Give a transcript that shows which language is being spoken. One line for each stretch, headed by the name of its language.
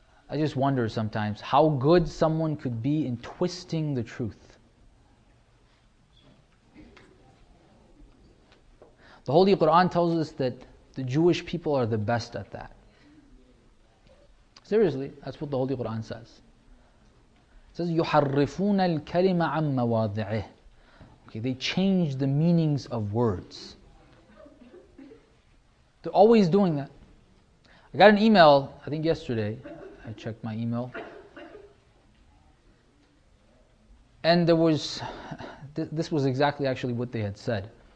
English: I just wonder sometimes how good someone could be in twisting the truth. The Holy Quran tells us that the Jewish people are the best at that. Seriously, that's what the Holy Quran says. It says,
Arabic: يُحَرِّفُونَ الْكَلِمَ عَمْ مَوَاضِعِهِ.
English: Okay, they change the meanings of words. They're always doing that. I got an email, I think yesterday, I checked my email. And there was, this was exactly actually what they had said.